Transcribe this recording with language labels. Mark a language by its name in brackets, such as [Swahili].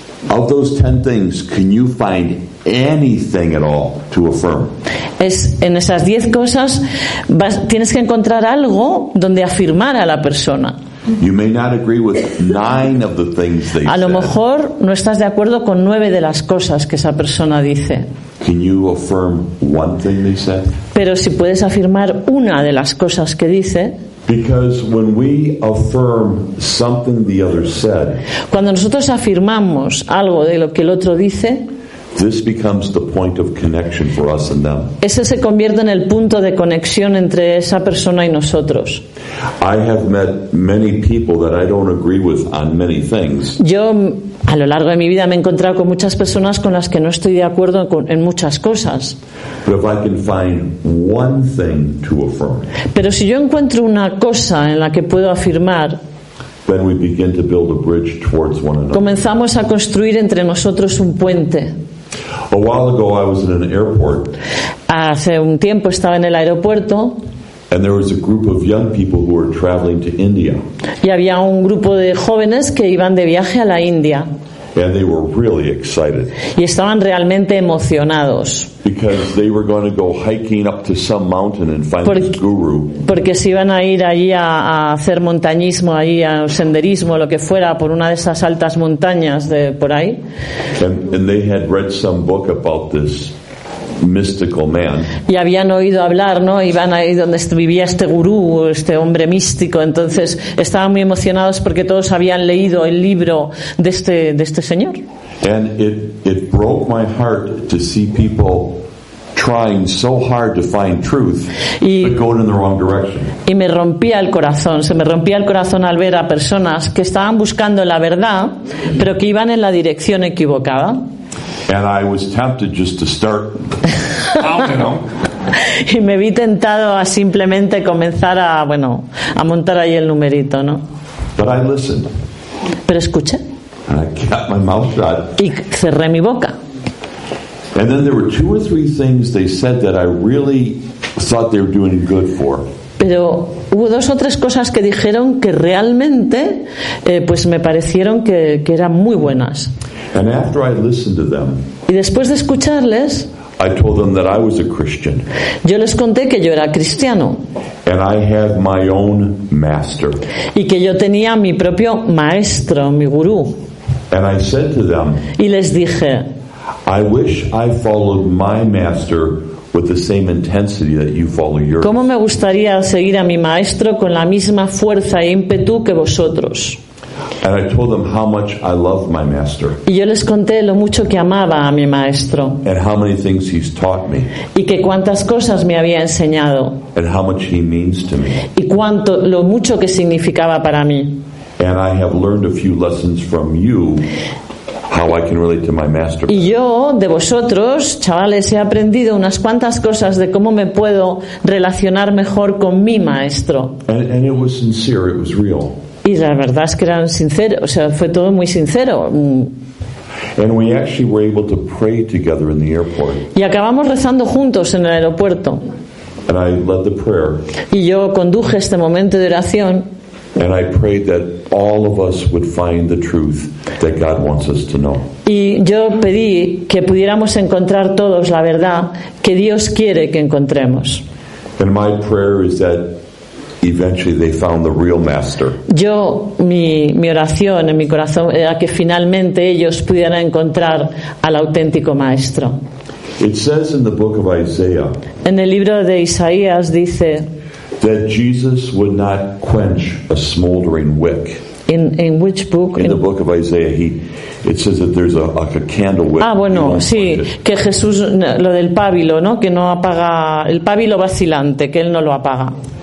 [English] Of those 10 things, can you find anything at all to affirm? [Spanish] Es en esas 10 cosas tienes que encontrar algo donde afirmar a la persona. [English] You may not agree with 9 of the things they said. [Spanish] A lo mejor no estás de acuerdo con 9 de las cosas que esa persona dice. [English] Can you affirm one thing they said? [Spanish] Pero si puedes afirmar una de las cosas que dice. [English] Because when we affirm something the other said, [Spanish] cuando nosotros afirmamos algo de lo que el otro dice, [English] this becomes the point of connection for us and them. [Spanish] Ese se convierte en el punto de conexión entre esa persona y nosotros. [English] I have met many people that I don't agree with on many things. [Spanish] Yo a lo largo de mi vida me he encontrado con muchas personas con las que no estoy de acuerdo en muchas cosas. [English] But if I can find one thing to affirm, [Spanish] pero si yo encuentro una cosa en la que puedo afirmar, [English] then we begin to build a bridge towards one another. [Spanish] Comenzamos a construir entre nosotros un puente. [English] A while ago, I was in an airport. [Spanish] Hace un tiempo estaba en el aeropuerto. [English] And there was a group of young people who were traveling to India. [Spanish] Y había un grupo de jóvenes que iban de viaje a la India. [English] And they were really excited. [Spanish] Y estaban realmente emocionados. [English] Because they were going to go hiking up to some mountain and find this guru. [Spanish] Porque se iban a ir allí a hacer montañismo, allí a senderismo, lo que fuera, por una de esas altas montañas de por ahí. [English] And they had read some book about this mystical man. [Spanish] Y habían oído hablar, ¿no? Iban ahí donde vivía este gurú, este hombre místico. Entonces estaban muy emocionados porque todos habían leído el libro de este señor. [English] And it broke my heart to see people trying so hard to find truth, but going in the wrong direction. [Spanish] Y me rompía el corazón. Se me rompía el corazón al ver a personas que estaban buscando la verdad, pero que iban en la dirección equivocada. [English] And I was tempted just to start pounding them. [Spanish] Y me vi tentado a simplemente comenzar a montar ahí el numerito, ¿no? [English] But I listened. [Spanish] Pero escuché. [English] And I kept my mouth shut. [Spanish] Y cerré mi boca. [English] And then there were two or three things they said that I really thought they were doing good for. [Spanish] Pero hubo dos o tres cosas que dijeron que realmente, pues me parecieron que eran muy buenas. [English] And after I listened to them, [Spanish] y después de escucharles, [English] I told them that I was a Christian. [Spanish] Yo les conté que yo era cristiano. [English] And I had my own master. [Spanish] Y que yo tenía mi propio maestro, mi gurú. [English] And I said to them, [Spanish] y les dije, [English] I wish I followed my master with the same intensity that you follow yours. [Spanish] ¿Cómo me gustaría seguir a mi maestro con la misma fuerza e ímpetu que vosotros? [English] And I told them how much I love my master. [Spanish] Y yo les conté lo mucho que amaba a mi maestro. [English] And how many things he's taught me. [Spanish] Y que cuántas cosas me había enseñado. [English] And how much he means to me. [Spanish] Y cuánto, lo mucho que significaba para mí. [English] And I have learned a few lessons from you. How I can relate to my master. [Spanish] Y yo, de vosotros, chavales, he aprendido unas cuantas cosas de cómo me puedo relacionar mejor con mi maestro. [English] And it was sincere, it was real. [Spanish] Y la verdad es que eran sinceros, o sea, fue todo muy sincero. [English] And we actually were able to pray together in the airport. [Spanish] Y acabamos rezando juntos en el aeropuerto. [English] And I led the prayer. [Spanish] Y yo conduje este momento de oración. [English] And I prayed that all of us would find the truth that God wants us to know. [Spanish] Y yo pedí que pudiéramos encontrar todos la verdad que Dios quiere que encontremos. [English] And my prayer is that eventually they found the real master. [Spanish] Yo, mi oración en mi corazón era que finalmente ellos pudieran encontrar al auténtico maestro. [English] It says in the book of Isaiah. [Spanish] En el libro de Isaías dice [English] that Jesus would not quench a smoldering wick. In which book? In the book of Isaiah, it says that there's a candle wick. [Spanish] Ah, bueno, sí, que Jesús, lo del pábilo, ¿no? Que no apaga el pábilo vacilante, que él no lo apaga.